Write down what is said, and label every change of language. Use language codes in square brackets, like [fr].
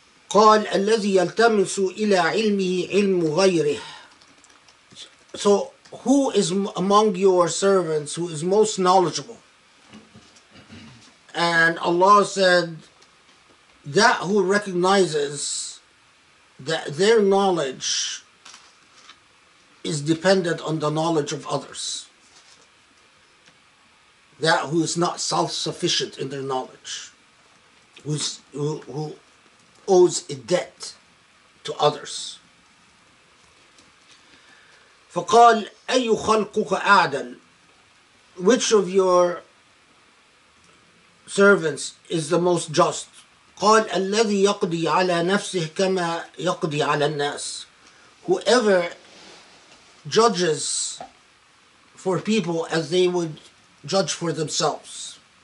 [ar] قال الذي يلتمس إلى علمه علم غيره. [en] So who is among your servants who is most knowledgeable? And Allah said, that who recognizes that their knowledge is dependent on the knowledge of others. That who is not self-sufficient in their knowledge, who owes a debt to others. [ar] فقال أي خلقك أعدل, [en] which of your servants is the most just? [ar] قال الذي يقضي على نفسه كما يقضي على الناس. [en] Whoever judges for people as they would judge for themselves.